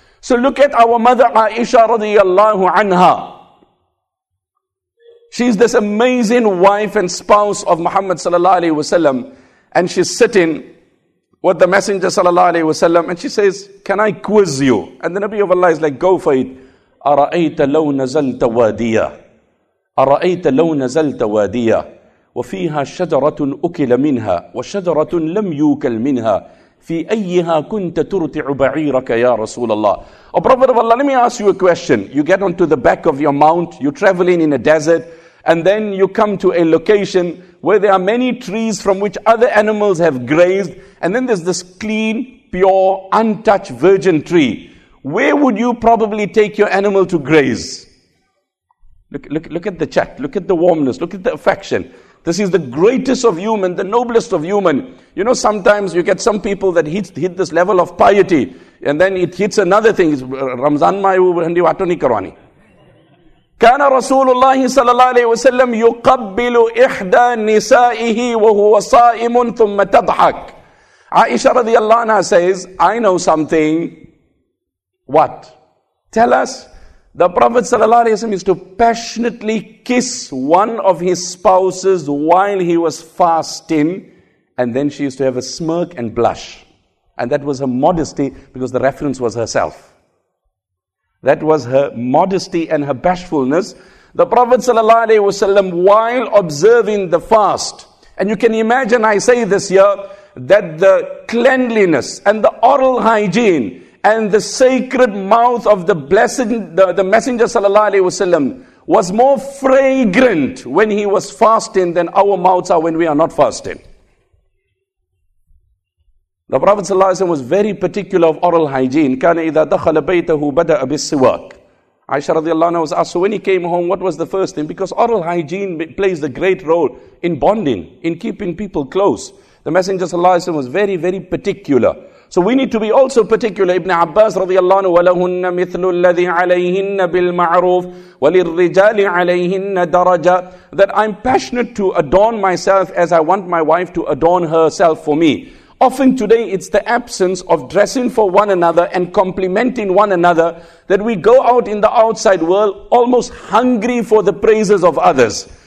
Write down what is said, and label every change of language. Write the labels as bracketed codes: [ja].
[en] So look at our mother Aisha radiallahu anha. She's this amazing wife and spouse of Muhammad sallallahu alayhi wasallam, and she's sitting with the Messenger sallallahu alayhi wasallam, and she says, "Can I quiz you?" And the Nabi of Allah is like, "Go for it." [ar] أرأيت لو نزلت واديا أرأيت لو نزلت واديا وفيها شجرة أكل منها وشجرة لم يوكل منها في أيها كنت ترتع بعيرك يا رسول الله. [en] Oh, Prophet of Allah, let me ask you a question. You get onto the back of your mount, you're traveling in a desert, and then you come to a location where there are many trees from which other animals have grazed, and then there's this clean, pure, untouched virgin tree. Where would you probably take your animal to graze? Look at the chat. Look at the warmness. Look at the affection. This is the greatest of human, the noblest of human. You know, sometimes you get some people that hit this level of piety, and then it hits another thing. Ramzan mayu handi watoni karwani. [ar] كان رسول الله صلى الله عليه وسلم يقبل إحدى نسائه وهو صائم ثم تضحك. [en] Aisha radiallahu anha says, "I know something." What? Tell us. The Prophet sallallahu alaihi wasallam used to passionately kiss one of his spouses while he was fasting, and then she used to have a smirk and blush. And that was her modesty, because the reference was herself. That was her modesty and her bashfulness. The Prophet sallallahu alaihi wasallam, while observing the fast, and you can imagine, I say this here, that the cleanliness and the oral hygiene and the sacred mouth of the blessed, the Messenger sallallahu alaihi wasallam, was more fragrant when he was fasting than our mouths are when we are not fasting. The Prophet sallallahu alaihi wasallam was very particular of oral hygiene. [ar] كان إذا دخل بيته بدأ بالسواك. [en] Aisha radiallahu anha was asked, so when he came home, what was the first thing? Because oral hygiene plays a great role in bonding, in keeping people close. The Messenger sallallahu alaihi wasallam was very, very particular. So we need to be also particular. [ar] Ibn Abbas radiallahu anhu, وَلَهُنَّ مِثْلُ الَّذِي عَلَيْهِنَّ بِالْمَعْرُوفِ وَلِلرِّجَالِ عَلَيْهِنَّ دَرَجَةِ. [en] That I'm passionate to adorn myself as I want my wife to adorn herself for me. Often today it's the absence of dressing for one another and complimenting one another that we go out in the outside world almost hungry for the praises of others.